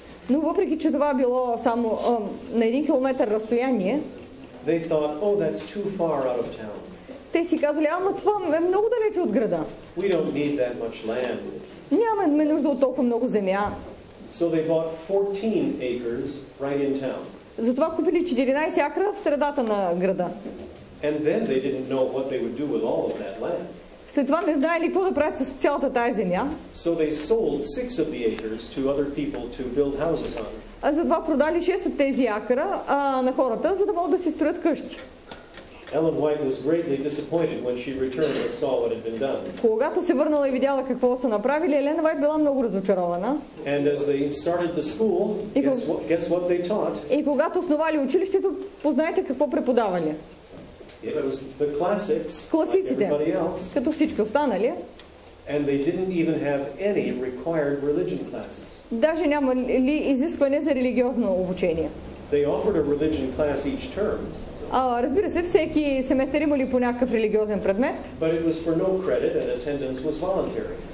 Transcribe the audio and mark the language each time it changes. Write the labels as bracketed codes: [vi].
[bg] Но въпреки че това било само на 1 километър разстояние. [en] They thought, "Oh, that's too far out of town." [bg] Те си казали, ама това е много далече от града. [en] We don't need that much land. [bg] Нямаме нужда от толкова много земя. [en] So they bought 14 acres right in town. [bg] Затова купили 14 акра в средата на града. [en] And then they didn't know what they would do with all of that land. [bg] След това не знаели какво да правят с цялата тая земя. [en] So they sold 6 of the acres to other people to build houses on. [bg] Затова продали 6 от тези акра на хората, за да могат да си строят къщи. [en] Ellen White was greatly disappointed when she returned and saw what had been done. [bg] Когато се върнала и видяла какво са направили, Елен Уайт била много разочарована. [en] And as they started the school, guess what they taught? [bg] И когато основали училището, познайте какво преподавали. [en] It was the classics. [bg] Класиците. [en] Like everybody else. [bg] Като всички останали. [en] And they didn't even have any required religion classes. [bg] Даже нямали изискване за религиозно обучение. [en] They offered a religion class each term. [bg] Разбира се, всеки семестър имали по някакъв религиозен предмет. [en] But it was for no credit and attendance was voluntary.